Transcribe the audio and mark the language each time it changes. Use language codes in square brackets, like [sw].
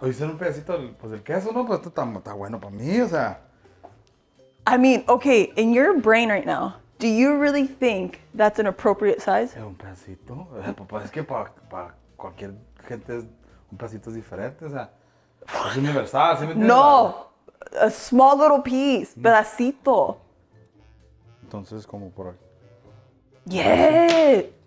[es] Oye, un pedacito, pues el queso, ¿no? Pues esto está bueno para mí, o sea. [en] I mean, okay, in your brain right now, do you really think that's an appropriate size? [es] Un pedacito. Pues es que para cualquier gente un pedacito es diferente, o sea. Es universal, ¿sí me entiendes? [en] No, a small little piece, pedacito. [es] Entonces, ¿cómo por aquí? [en] Yeah.